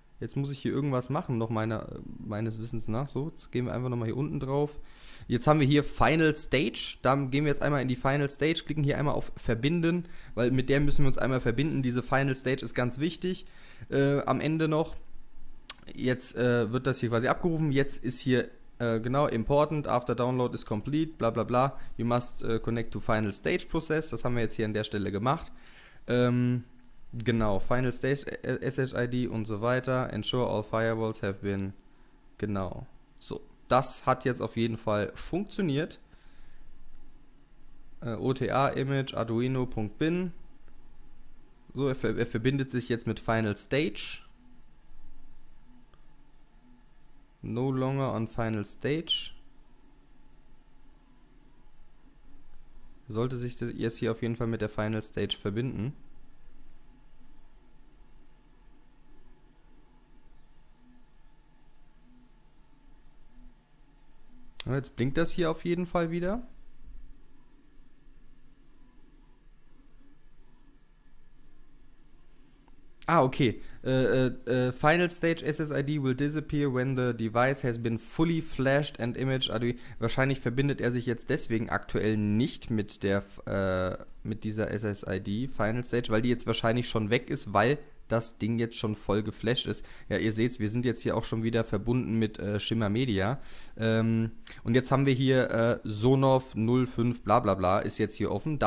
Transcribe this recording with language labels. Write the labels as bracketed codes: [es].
[de] Jetzt muss ich hier irgendwas machen, noch meines Wissens nach. So, jetzt gehen wir einfach nochmal hier unten drauf. Jetzt haben wir hier Final Stage. Dann gehen wir jetzt einmal in die Final Stage, klicken hier einmal auf Verbinden, weil mit der müssen wir uns einmal verbinden. Diese Final Stage ist ganz wichtig. Am Ende noch. Jetzt wird das hier quasi abgerufen. Jetzt ist hier, genau, [en] important, after download is complete, [de] bla bla bla. [en] You must connect to Final Stage Process. [de] Das haben wir jetzt hier an der Stelle gemacht. Genau, Final Stage SSID und so weiter. [en] Ensure all firewalls have been. [de] Genau. So, das hat jetzt auf jeden Fall funktioniert. OTA Image Arduino.bin. So, er verbindet sich jetzt mit Final Stage. [en] No longer on Final Stage. [de] Sollte sich jetzt hier auf jeden Fall mit der Final Stage verbinden. Jetzt blinkt das hier auf jeden Fall wieder. Ah, okay. [en] Final Stage SSID will disappear when the device has been fully flashed and imaged. [de] Also wahrscheinlich verbindet er sich jetzt deswegen aktuell nicht mit der mit dieser SSID Final Stage, weil die jetzt wahrscheinlich schon weg ist, weil das Ding jetzt schon voll geflasht ist. Ja, ihr seht, wir sind jetzt hier auch schon wieder verbunden mit Shimmer Media. Und jetzt haben wir hier Sonoff 05 bla bla bla ist jetzt hier offen.